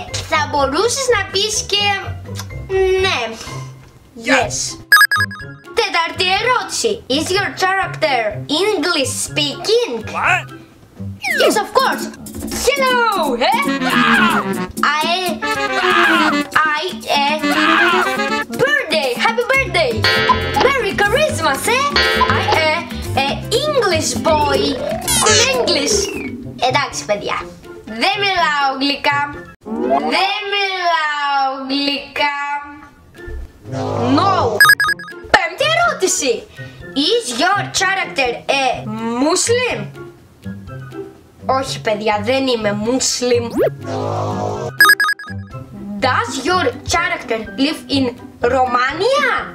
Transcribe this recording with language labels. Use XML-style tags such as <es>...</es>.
<el>Θα μπορούσες να πεις και... ναι.</el> <en>Yes.</en> <el>Τέταρτη ερώτηση.</el> <en>Is your character English speaking? What? Yes, of course. Hello. Hey? Birthday. Happy birthday. Merry Christmas, eh? English boy. Good English.</en> <el>Εντάξει, παιδιά. Δεν μιλάω γλυκά. Δεν μιλάω γλυκά. No. Πέμπτη ερώτηση.</el> <en>Is your character a Muslim?</en> <el>Όχι παιδιά, δεν είμαι Muslim.</el> <en>Does your character live in Romania?</en>